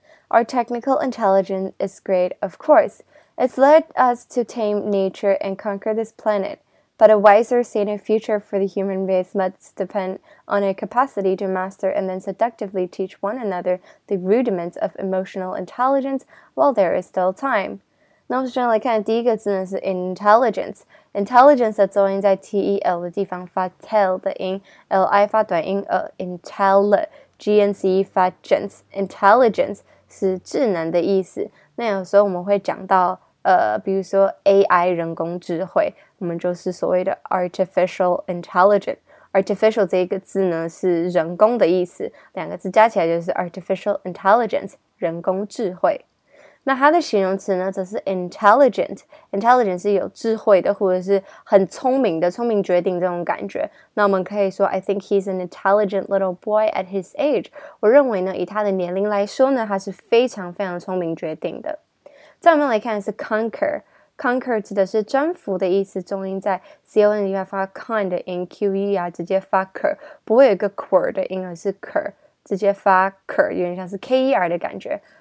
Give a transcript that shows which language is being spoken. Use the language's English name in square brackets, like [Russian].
[English] Our technical intelligence is great, of course. It's led us to tame nature and conquer this planet. But a wiser, saner future for the human race must depend on a capacity to master and then seductively teach one another the rudiments of emotional intelligence while there is still time. [Chinese] 那我们就来看第一个字呢是 intelligence 的作用在 T E L 的地方发 tell 的音 L I 发短音 intelligence 发gence intelligence 是智能的意思。那有时候我们会讲到 比如说 AI 人工智慧。我们就是所谓的 artificial intelligence. Artificial 这一个字呢是人工的意思， 两个字加起来就是 artificial intelligence， 人工智慧。那它的形容词呢则是 intelligent， intelligent 是有智慧的， 或者是很聪明的， 聪明绝顶这种感觉。 [English] 那我们可以说 I think he's an intelligent little boy at his age. [Chinese] 我认为呢， 以他的年龄来说呢， 他是非常非常聪明绝顶的。再我们来看是 conquer。Conquer 指的是征服的意思， 重音在 C-O-N 里面发con的音， Q-E-R 直接发cur， 不会有一个cur的音， 而是cur， 直接发cur， 有点像是K-E-R的感觉。